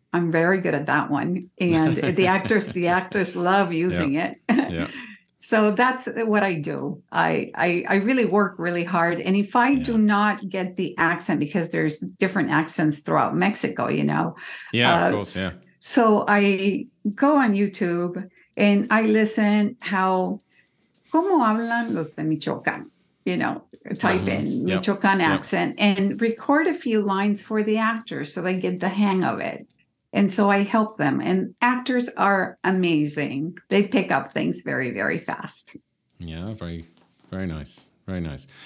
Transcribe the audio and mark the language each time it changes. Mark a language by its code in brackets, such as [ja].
[en] I'm very good at that one. And the actors love using it. So that's what I do. I really work really hard. And if I do not get the accent, because there's different accents throughout Mexico, you know. So I go on YouTube and I listen how, [es] ¿cómo hablan los de Michoacán? [en] You know, type in Michoacán accent and record a few lines for the actors so they get the hang of it. And so I help them. And actors are amazing. They pick up things very, very fast. Yeah, very, very nice. Very nice.